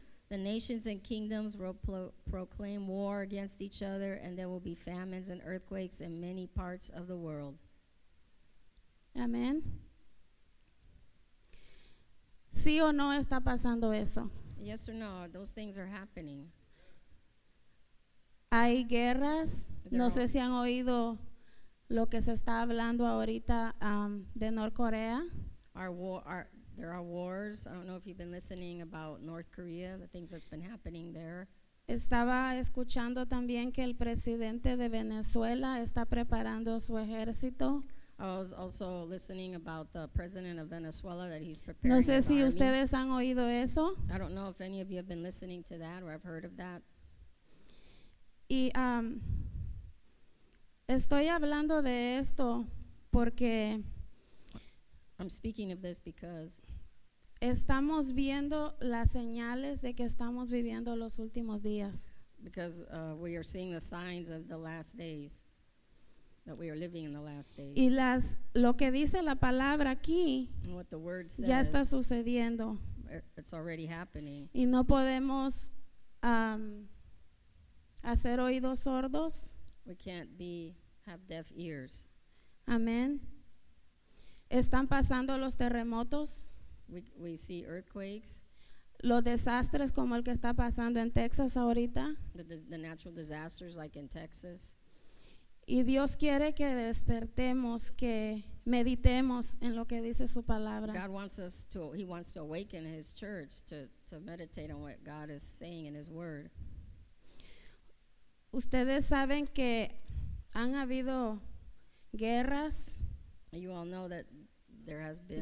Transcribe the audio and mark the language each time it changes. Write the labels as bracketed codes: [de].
[en] The nations and kingdoms will proclaim war against each other, and there will be famines and earthquakes in many parts of the world. Amen. [es] ¿Sí o no está pasando eso? [en] Yes or no, those things are happening. [es] Hay guerras. No sé si han oído lo que se está hablando ahorita de Norcorea. [en] There are wars. I don't know if you've been listening about North Korea, the things that's been happening there. [es] Estaba escuchando también que el presidente de Venezuela está preparando su ejército. [en] I was also listening about the president of Venezuela, that he's preparing his army. [es] No sé si [en] army. [es] Ustedes han oído eso. [en] I don't know if any of you have been listening to that or have heard of that. [es] Y estoy hablando de esto porque [en] I'm speaking of this because [es] estamos viendo las señales de que estamos viviendo los últimos días. [en] Because we are seeing the signs of the last days, that we are living in the last days. [es] Y las, lo que dice la palabra aquí, [en] and what the word says, [es] ya está sucediendo. [en] It's already happening. [es] Y no podemos hacer oídos sordos. [en] We can't have deaf ears. [es] Amén. Están pasando los terremotos. [en] We see earthquakes. [es] Los desastres como el que está pasando en Texas ahorita. [en] The natural disasters like in Texas. [es] Y Dios quiere que despertemos, que meditemos en lo que dice su palabra. [en] God wants us to, he wants to awaken his church to meditate on what God is saying in his word. [es] Ustedes saben que han habido guerras. [en] You all know that there has been